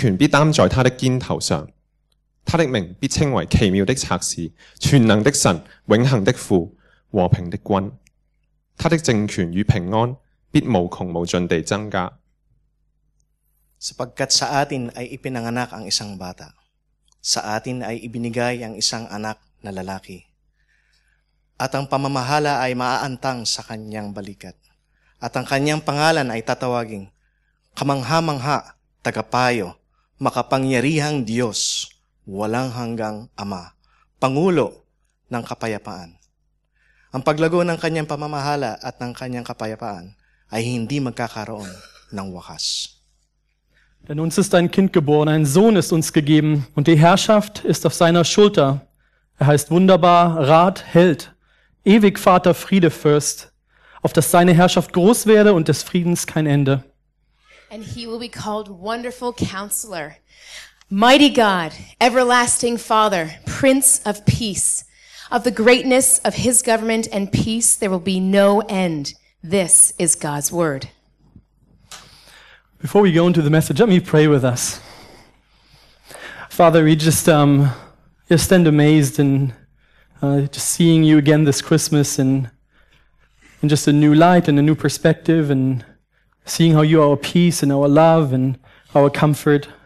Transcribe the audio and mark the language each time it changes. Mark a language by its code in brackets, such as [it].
[zh] 因为有一个婴孩为我们而生，有一个儿子赐给我们，政权必担在他的肩头上，他的名必称为奇妙的赐事，全能的神，永恒的父，和平的君，他的政权与平安必无穷无尽地增加。因为有一个婴孩为我们而生，有一个儿子赐给我们，政权必担在他的肩头上。他的名必称为奇妙的策士，全能的神，永恒的父，和平的君，他的政权与平安必无穷无尽地增加。 [tl] Sapagkat sa atin ay ipinanganak ang isang bata, sa atin ay ibinigay ang isang anak na lalaki, at ang pamamahala ay maaantang sa kanyang balikat, at ang kanyang pangalan ay tatawaging Kamangha-mangha, Tagapayo, Makapangyarihang Diyos, Walang hanggang Ama, Pangulo ng Kapayapaan. Ang paglago ng kanyang pamamahala at ng kanyang kapayapaan ay hindi magkakaroon ng wakas. [de] Denn uns ist ein Kind geboren, ein Sohn ist uns gegeben und die Herrschaft ist auf seiner Schulter. Er heißt wunderbar Rat, Held, ewig Vater, Friede, Fürst, auf dass seine Herrschaft groß werde und des Friedens kein Ende. [en] And he will be called Wonderful Counselor. Mighty God, Everlasting Father, Prince of Peace, of the greatness of his government and peace, there will be no end. This is God's word. Before we go into the message, let me pray with us. Father, we just stand amazed and just seeing you again this Christmas and in just a new light and a new perspective and seeing how you are our peace and our love and our comfort.